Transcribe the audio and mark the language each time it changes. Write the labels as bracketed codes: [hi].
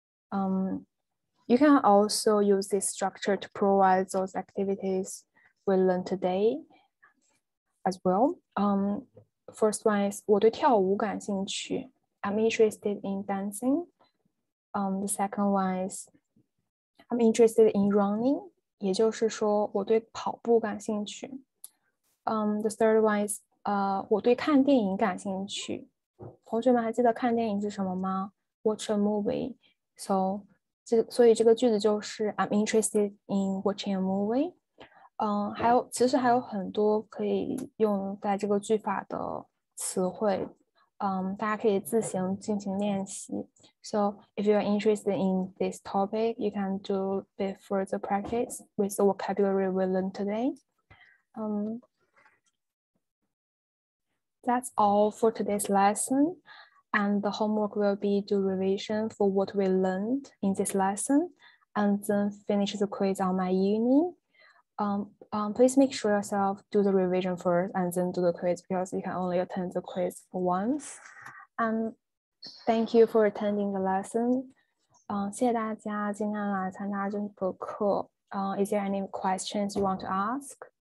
[en] You can also use this structure to provide those activities we learned today as well. First one is [zh] 我对跳舞感兴趣。 [en] I'm interested in dancing. The second one is I'm interested in running. [zh] 也就是说我对跑步感兴趣。 [en] The third one is [zh] 我对看电影感兴趣。同学们还记得看电影是什么吗 ？ [en] Watch a movie. So [zh] 这个句子就是 [en] I'm interested in watching a movie. [zh] 还有很多可以用在这个句法的词汇。大家可以自行进行练习。 [en] So if you are interested in this topic, you can do a bit further practice with the vocabulary we learned today. That's all for today's lesson, and the homework will be do revision for what we learned in this lesson, and then finish the quiz on my uni. Please make sure yourself do the revision first and then do the quiz because you can only attend the quiz once. And thank you for attending the lesson. [zh] 谢谢大家今天来参加这个课。 [en] Is there any questions you want to ask?